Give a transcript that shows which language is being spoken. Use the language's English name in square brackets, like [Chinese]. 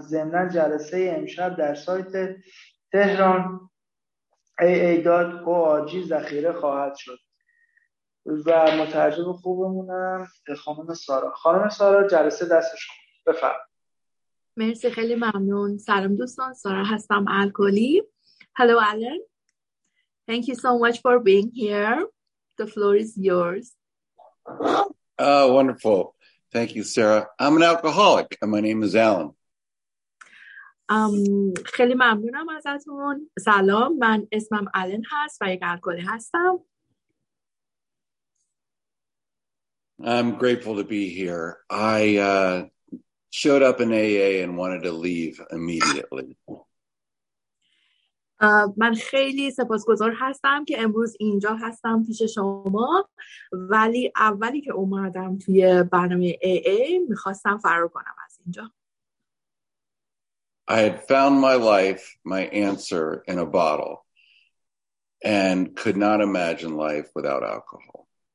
[Persian] ضمن جلسه امشب در سایت تهران AA.org ذخیره خواهد شد و مترجم خوبمونم خانم سارا. خانم سارا جلسه دستش کن بفرم. مرسی، خیلی ممنون. سلام دوستان، سارا هستم الکلی. [English] Hello Alan, thank you so much for being here. The floor is yours. Oh, wonderful. Thank you, Sarah. I'm an alcoholic and my name is Alan. [Persian] خیلی ممنونم ازتون. سلام، من اسمم آلن هست و یک الکلی هستم. [English] I'm grateful to be here. I showed up in AA and wanted to leave immediately. [Persian] من خیلی سپاسگزار هستم که امروز اینجا هستم پیش شما، ولی اولی که اومدم توی برنامه AA میخواستم فرار کنم از اینجا. [English] I had found my life, my answer, in a bottle and could not imagine life without alcohol.